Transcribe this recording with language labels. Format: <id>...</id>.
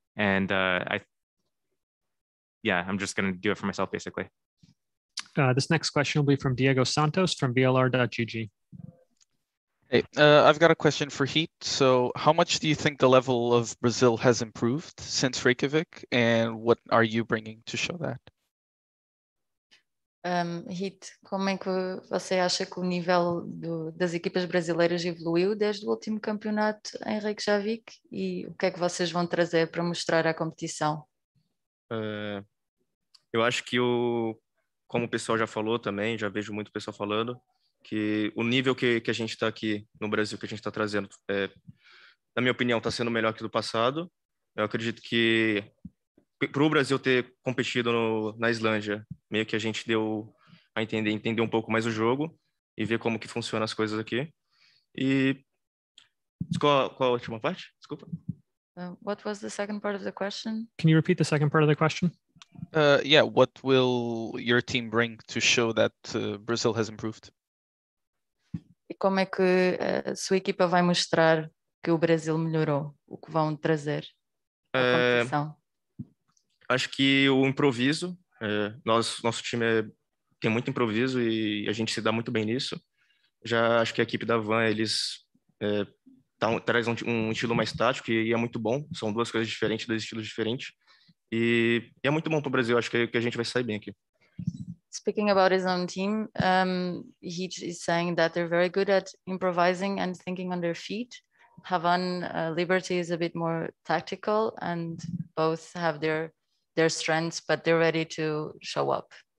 <en>And I'm just going to do it for myself, basically. This next question will be from Diego Santos from VLR.gg. Hey, I've got a question for Heat. So how much do you think the level of Brazil has improved since Reykjavik? And what are you bringing to show that?</en> <pt>Heat, como é que você acha que o nível das equipas brasileiras evoluiu desde o último campeonato em Reykjavik? E o que é que vocês vão trazer para mostrar à competição? Eu acho que, como o pessoal já falou também, já vejo muito pessoal falando, que o nível que a gente está aqui no Brasil, que a gente está trazendo, na minha opinião, está sendo melhor que do passado. Eu acredito que para o Brasil ter competido na Islândia, meio que a gente deu a entender um pouco mais o jogo e ver como que funcionam as coisas aqui. E qual a última parte? Desculpa.</pt> <en>What was the second part of the question? Can you repeat the second part of the question? What will your team bring to show that Brazil has improved?</en> <pt>Como é que a sua equipa vai mostrar que o Brasil melhorou? O que vão trazer à competição? Acho que o improviso. Nosso time tem muito improviso e a gente se dá muito bem nisso. Já acho que a equipe da Van, eles trazem um estilo mais tático e é muito bom. São duas coisas diferentes, dois estilos diferentes. E é muito bom para o Brasil. Acho que a gente vai sair bem aqui.</pt> <en>Speaking about his own team, he is saying that they're very good at improvising and thinking on their feet. Havan Liberty is a bit more tactical and both have their strengths, but they're ready to show up.</en>